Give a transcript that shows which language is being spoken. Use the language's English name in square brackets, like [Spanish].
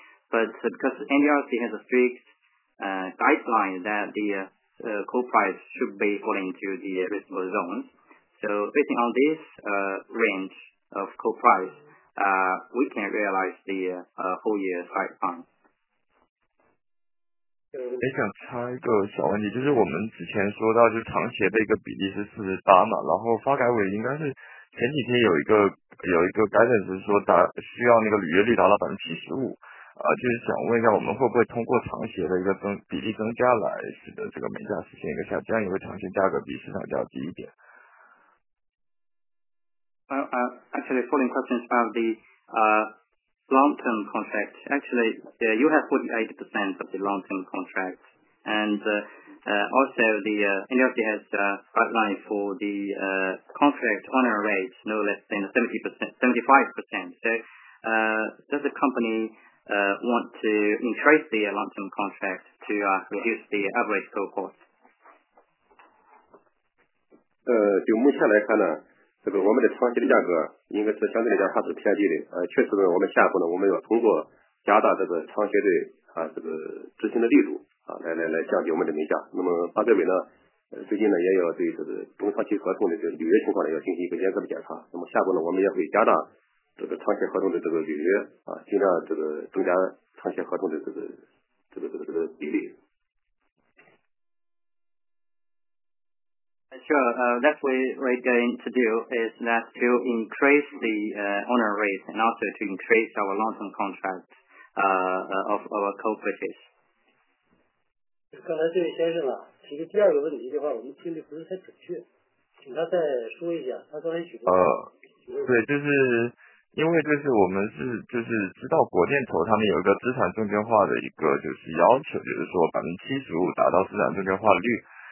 [English] But because NDRC has a strict guideline that the coal price should be falling into the reasonable zones, so based on this range of coal price, we can realize the whole year site fund. [Chinese] 也想插一个小问题，就是我们之前说到，就是长协的一个比例是48嘛，然后发改委应该是前几天有一个 guidance 说达需要那个履约率达到 75%， 就是想问一下我们会不会通过长协的一个比例增加来使得这个煤价实现一个下降，因为长协价格比市场价低一点。 [English] Actually, following questions about the long-term contract. Actually, yeah, you have 48% of the long-term contract. And also, the NDRC has a guideline for the contract honor rate no less than 75%. So does the company want to increase the long-term contract to reduce the average coal cost? [Chinese] 就目前来看呢，这个我们的长期的价格应该是相对来讲还是偏低的，确实呢，我们下一步呢，我们要通过加大这个长协的这个执行的力度来降低我们的煤价。那么发改委呢，最近呢也要对这个中长期合同的这个履约情况呢要进行一个严格的检查。那么下一步呢，我们也会加大这个长协合同的这个履约尽量这个增加长协合同的这个比例。 [English] Sure, that's what we're going to do is that to increase the honor rate and also to increase our long-term contract of our coal purchase. [Chinese] 刚才这位先生啊，提的第二个问题的话，我们听的不是太准确，请他再说一下。他刚才举的对，就是因为就是我们是就是知道国电投他们有一个资产证券化的一个就是要求，就是说75%达到资产证券化率。